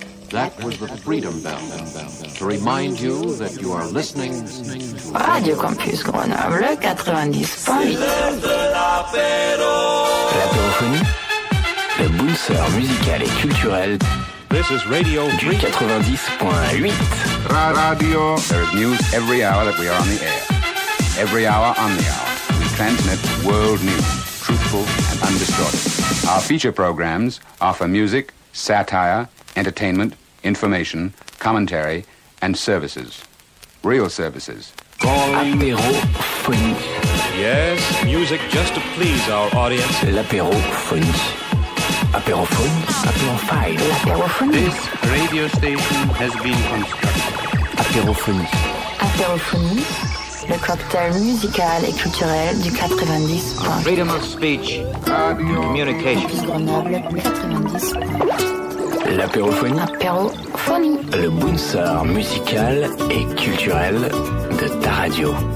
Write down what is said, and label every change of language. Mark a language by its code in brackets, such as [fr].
[en] That was the freedom bell, to remind you that you are listening to Radio Campus Grenoble 90.8. [fr] L'apérophonie, le booster musical et culturel. [en] This is Radio 90.8. Radio, there's news every hour that we are on the air. Every hour on the hour, we transmit world news, truthful and undistorted. Our feature programs offer music, satire, entertainment, information, commentary, and services. Real services. [fr] Apérophonie. [en] Yes, music just to please our audience. [fr] L'apérophonie. Apérophonie. Apérophonie. L'apérophonie. [en] This radio station has been constructed. [fr] Apérophonie. Apérophonie. Le cocktail musical et culturel du 90. [en] Freedom of speech. Communication. Grenoble 90. [fr] L'apérophonie. Apérophonie. Le booster musical et culturel de ta radio.